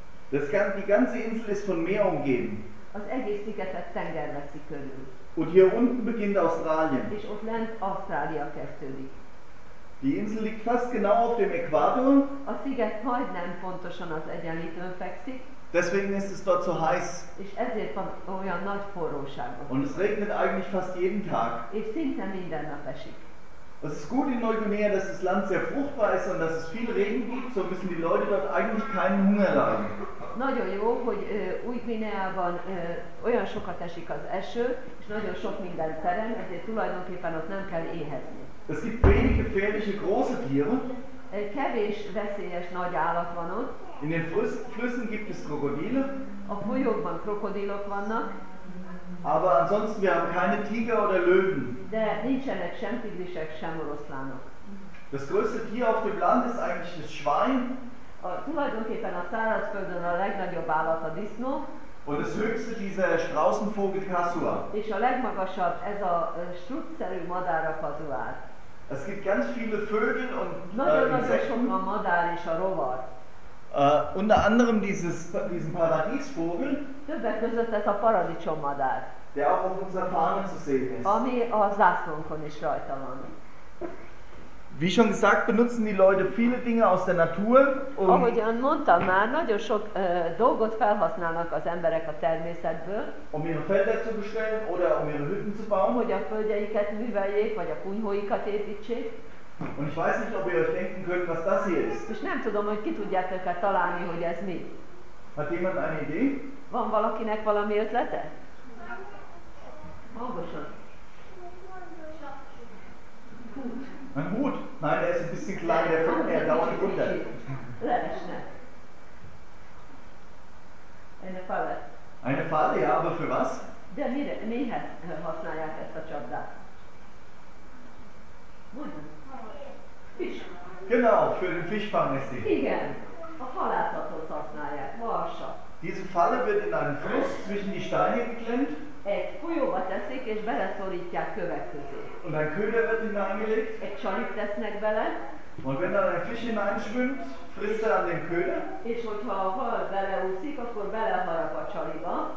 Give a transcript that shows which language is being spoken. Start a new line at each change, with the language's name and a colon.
German: Die ganze Insel ist von Meer umgeben.
Hungarian: Az egész szigetet tenger veszi körül.
German: Und hier unten beginnt Australien.
Hungarian: És ott lent Ausztrália kezdődik.
German: Die Insel liegt fast genau auf dem Äquator.
Hungarian: A sziget majdnem pontosan az egyenlítőn fekszik.
German: Deswegen ist es dort so heiß.
Hungarian: És ezért van olyan nagy forróság.
German: Und es regnet eigentlich fast jeden Tag.
Hungarian: És szinte minden nap esik.
German: Es ist gut in Neuguinea, dass das Land sehr fruchtbar ist und dass es viel Regen gibt, so müssen die Leute dort eigentlich keinen Hunger leiden.
Hungarian: Nagyon jó, hogy Új-Guineában olyan sokat esik az eső, és nagyon sok minden terem, ezért tulajdonképpen ott nem kell éhezni.
German: Es gibt wenig gefährliche große Tiere.
Hungarian: Kevés veszélyes nagy állat van ott.
German: In den Flüssen gibt es Krokodile.
Hungarian: A folyókban krokodilok vannak.
German: Aber ansonsten, wir haben keine Tiger oder Löwen.
Hungarian: De nincsenek sem tigrisek, sem oroszlánok.
German: Das größte Tier auf dem Land ist eigentlich das Schwein.
Hungarian: Tulajdonképpen a szárazföldön a legnagyobb állat a disznó.
German: Und das höchste dieser Straußenvogel Kasua.
Hungarian: És a legmagasabb ez a strutszerű madár a kazuár.
German: Es gibt ganz viele Vögel und Insekten.
Hungarian: A madár és a rovar.
German: Unter anderem diesen Paradiesvogel.
Hungarian: Többek között ez a paradicsommadár.
German: Der auch auf unserer Fahne zu sehen ist.
Hungarian: Ami a zászlónkon is rajta van.
German: Wie schon gesagt, benutzen die Leute viele Dinge aus der Natur.
Hungarian: Ahogyan mondtam már, nagyon sok dolgot felhasználnak az emberek a természetből.
German: Um ihre Felder zu bestellen oder um ihre Hütten zu bauen.
Hungarian: Hogy a földjeiket műveljék, vagy a kunyhóikat építsék.
German: Und ich weiß nicht, ob ihr euch denken könnt, was das hier ist.
Hungarian: És nem tudom, hogy ki tudjátok-e találni, hogy ez mi.
German: Hat jemand eine Idee?
Hungarian: Van valakinek valami ötlete? Magosan.
German: Hut. Ein Hut? Nein, der ist ein bisschen klein, der fällt mir dauernd runter.
Hungarian: Leesne.
German: Eine Falle. Eine Falle, ja, aber für was?
Hungarian: De mihez használják ezt a csapdát?
German: Fisch. Genau, für den Fischfang ist sie.
Hungarian: Igen. A halászathoz használják. Marsa.
German: Diese Falle wird in einen Fluss zwischen die Steine geklemmt.
Hungarian: Egy folyóba teszik és beleszorítják kövek közé.
German: Und ein Köder wird hineingelegt.
Hungarian: Egy csalit tesznek bele.
German: Und wenn dann ein Fisch hineinschwimmt, frisst er an den Köder.
Hungarian: És hogyha a hal beleúszik, akkor beleharap a csaliba.